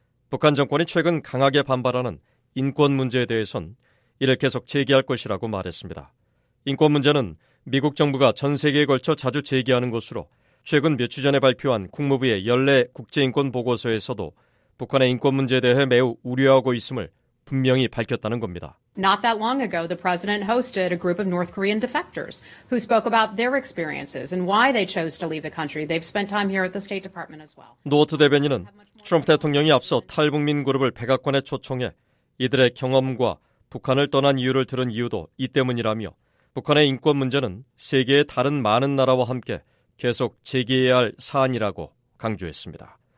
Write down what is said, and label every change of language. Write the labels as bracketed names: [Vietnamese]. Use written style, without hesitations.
[Korean] 북한 정권이 최근 강하게 반발하는 인권 문제에 대해선 이를 계속 제기할 것이라고 말했습니다. 인권 문제는 미국 정부가 전 세계에 걸쳐 자주 제기하는 것으로 최근 며칠 전에 발표한 국무부의 연례 국제인권보고서에서도 북한의 인권 문제에 대해 매우 우려하고 있음을 분명히 밝혔다는 겁니다. [English] Not that long ago, the president hosted a group of North Korean defectors who spoke about their experiences and why they chose to leave the country. They've spent time here at the State Department as well. [Korean] 노트 대변인은 트럼프 대통령이 앞서 탈북민 그룹을 백악관에 초청해 이들의 경험과 북한을 떠난 이유를 들은 이유도 이 때문이라며 북한의 인권 문제는 세계의 다른 많은 나라와 함께 계속 제기해야 할 사안이라고 강조했습니다.